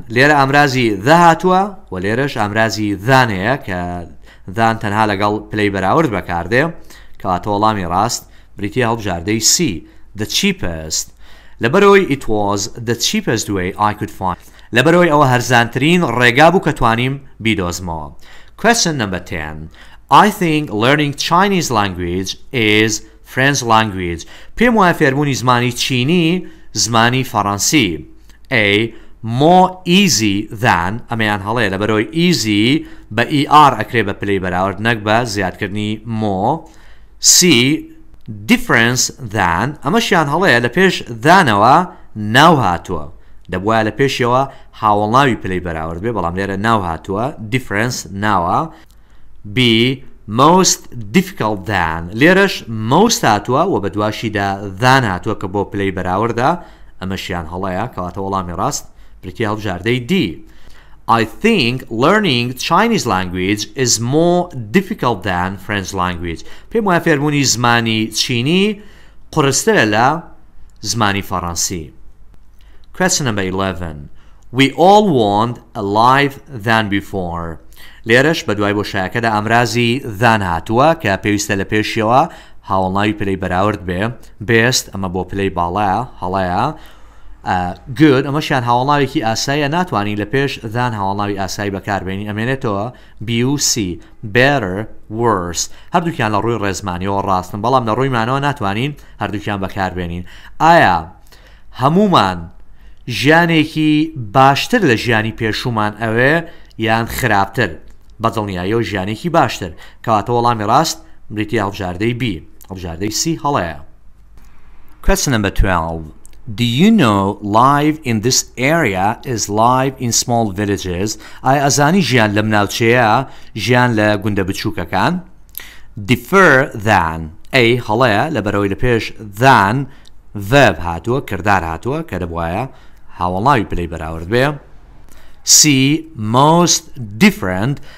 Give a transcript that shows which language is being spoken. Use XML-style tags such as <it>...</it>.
<ckb>لێرە ئامرازی the هاتووە و لێرەش ئامرازی than هەیە کە than تەنها لەگەڵ پلەی بەراورد بەکاردێ کە واتە وەڵامی ڕاست بریتی هەڵبژاردەی C.</ckb> <en>The cheapest.</en> <ckb>لەبەرەوەی</ckb> <en>it was the cheapest way I could find.</en> <ckb>لەبەرەوەی ئەوە هەرزانترین ڕێگا بوو کە توانیم بیدۆزمەوە.</ckb> <en>Question number 10. I think learning Chinese language is French language.</en> <ckb>پێم وایە فێربوونی زمانی چینی زمانی فەڕەنسی.</ckb> <en>A. More easy than.</en> <ckb>ئەمەیان هەڵەیە لەبەرەوەی easy بە ER ئەکرێ بە پلەی بەراورد نەک بە زیادکردنی more.</ckb> <en>C. Difference than.</en> <ckb>ئەمەشیان هەڵەیە لە پێش than-ەوە ناو هاتووە. دەبوایە لە پێشەوە هاوڵناوی پلەی بەراورد بێ بەڵام لێرە ناو هاتووە. Difference ناوە.</ckb> <en>B. Most difficult than.</en> <ckb>لێرەش most هاتووە و بەدواشیدا than هاتووە کە بۆ پلەی بەراوردە. ئەمەشیان هەڵەیە کە واتە وەڵامی ڕاست بریتی هەڵبژاردەی D.</ckb> <en>I think learning Chinese language is more difficult than French language.</en> <ckb>پێم وایە فێربوونی زمانی چینی قورستە لە زمانی فەڕەنسی.</ckb> <en>Question number 11. We all want a life than before.</en> <ckb>لێرەش بەدوای بۆشایەکەدا ئامرازی than هاتووە کە پێویستە لە پێشەوە هاوڵناوی پلەی بەراورد بێ. Best ئەمە بۆ پلەی باڵا هەڵەیە. Good ئەمەشیان هاوڵناویەکی ئاسایە ناتوانین لە پێش than هاوڵناوی ئاسایی بەکاربێنین.</ckb> <en>ئەمێنێتەوە B و C. Better, worse.</en> <ckb>هەردووکیان لە ڕووی ڕێزمانیەوە ڕاستن بەڵام لە ڕووی مانەوە ناتوانین هەردووکیان بەکاربێنین. ئایا هەمومان ژیانێکی باشتر لە ژیانی پێشوومان ئەوێ یان خراپتر؟ بەدڵنیاییەوە ژیانێکی باشتر کە واتە وەڵامی ڕاست بریتی هەڵبژاردەی B. هەڵبژاردەی C هەڵەیە.</ckb> <en>Question number 12. Do you know life in this area is life in small villages?</en> <ckb>ئایا ئەزانی ژیان لە مناوچەیە ژیان لە گوندە بچووکەکان؟</ckb> <en>Differ than. A.</en> <ckb>هەڵەیە لەبەرەوەی لە پێش than verb هاتووە کردار هاتووە کە دەبوایە هاوڵناوی پلەی بەراورد بێ.</ckb> <en>C. Most different.</en>